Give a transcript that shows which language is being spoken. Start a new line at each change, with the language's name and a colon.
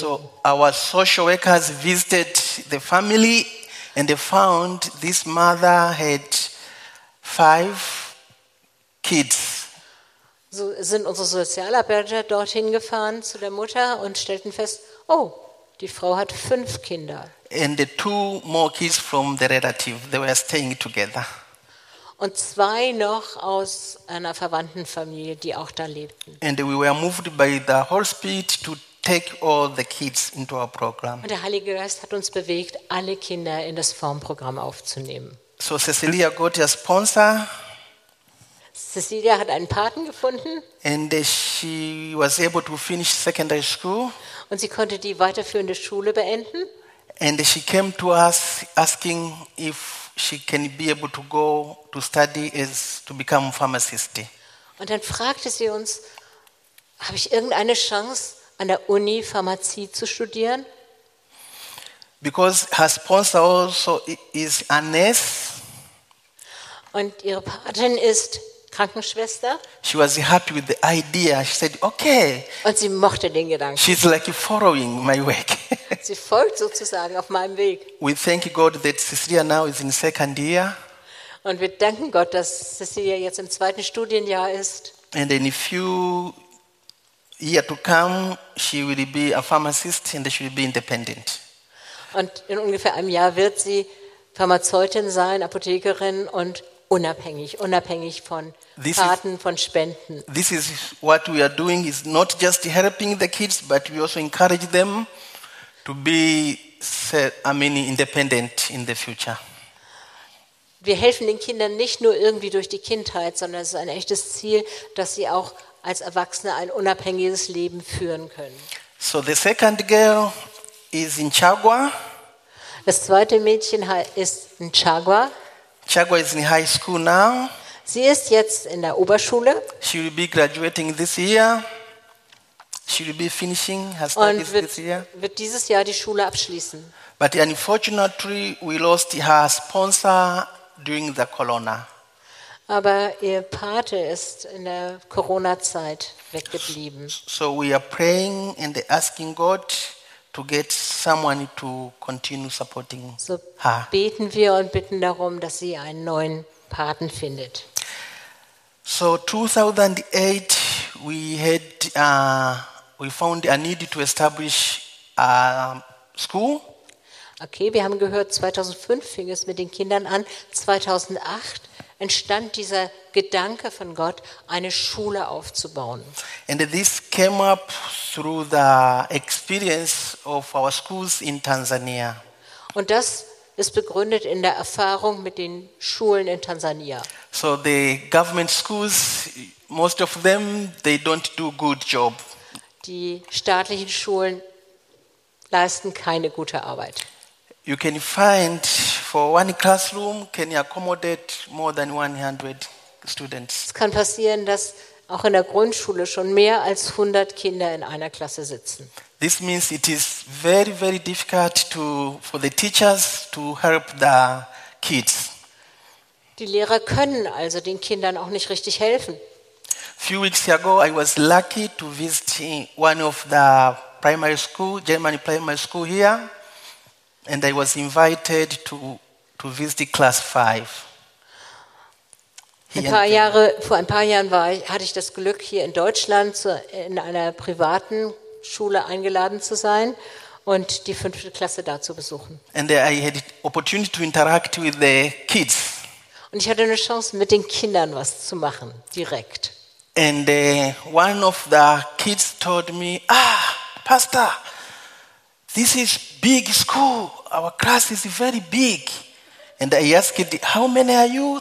English: So our social workers visited the family and they found this mother had 5 kids.
German: So sind unsere Sozialarbeiter dorthin gefahren zu der Mutter und stellten fest, oh, die Frau hat 5 Kinder.
English: And the 2 more kids from the relative, they were staying together.
German: Und 2 noch aus einer verwandten Familie, die auch da lebten.
English: And we were moved by the Holy Spirit to take all the kids into our program.
German: Und der Heilige Geist hat uns bewegt, alle Kinder in das Formprogramm aufzunehmen.
English: So Cecilia got a sponsor.
German: Cecilia hat einen Paten gefunden.
English: And she was able to finish secondary school.
German: Und sie konnte die weiterführende Schule beenden.
English: And she came to us asking if she can be able to go to study as to become a pharmacist.
German: Und dann fragte sie uns, habe ich irgendeine Chance, an der Uni Pharmazie zu studieren?
English: Because her sponsor also is a nurse.
German: Und ihre Patin ist Krankenschwester.
English: She was happy with the idea. She said, okay.
German: Und sie mochte den Gedanken.
English: She's like following my work.
German: Sie folgt sozusagen auf meinem Weg.
English: We thank God that Cecilia now is in second year.
German: Und wir danken Gott, dass Cecilia jetzt im zweiten Studienjahr ist.
English: And in a few years to come, she will be a pharmacist and she will be independent.
German: Und in ungefähr einem Jahr wird sie Pharmazeutin sein, Apothekerin und unabhängig von Paten, von Spenden.
English: This is what we are doing, is not just helping the kids, but we also encourage them to be, independent in the future.
German: Wir helfen den Kindern nicht nur irgendwie durch die Kindheit, sondern es ist ein echtes Ziel, dass sie auch als Erwachsene ein unabhängiges Leben führen können.
English: So the second girl is in Chagua.
German: Das zweite Mädchen ist in Chagua.
English: Chagua is in high school now.
German: Sie ist jetzt in der Oberschule.
English: She will be graduating this year. She will be finishing her studies this year.
German: Und wird dieses Jahr die Schule abschließen.
English: But unfortunately, we lost her sponsor during the Corona.
German: Aber ihr Pate ist in der Corona-Zeit weggeblieben.
English: So we are praying and asking God to get someone to continue supporting her.
German: So beten wir und bitten darum, dass sie einen neuen Paten findet.
English: So 2008 we found a need to establish a school.
German: Okay, wir haben gehört, 2005 fing es mit den Kindern an, 2008 entstand dieser Gedanke von Gott, eine Schule aufzubauen.
English: And this came up through the experience of our schools in Tanzania.
German: Und das ist begründet in der Erfahrung mit den Schulen in Tanzania.
English: So the government schools, most of them, they don't do good job.
German: Die staatlichen Schulen leisten keine gute Arbeit.
English: You can find for one classroom can you accommodate more than 100 students.
German: Es kann passieren, dass auch in der Grundschule schon mehr als 100 Kinder in einer Klasse sitzen.
English: This means it is very very difficult to for the teachers to help the kids.
German: Die Lehrer können also den Kindern auch nicht richtig helfen.
English: Few weeks ago I was lucky to visit one of the primary school, German primary school here. And I was invited to visit class 5.
German: Vor ein paar Jahren hatte ich das Glück, hier in Deutschland in einer privaten Schule eingeladen zu sein und die fünfte Klasse da zu besuchen.
English: And I had opportunity to interact with the kids.
German: Und ich hatte eine Chance, mit den Kindern was zu machen, direkt.
English: And one of the kids told me, Pastor, this is big school. Our class is very big. And I asked, how many are you?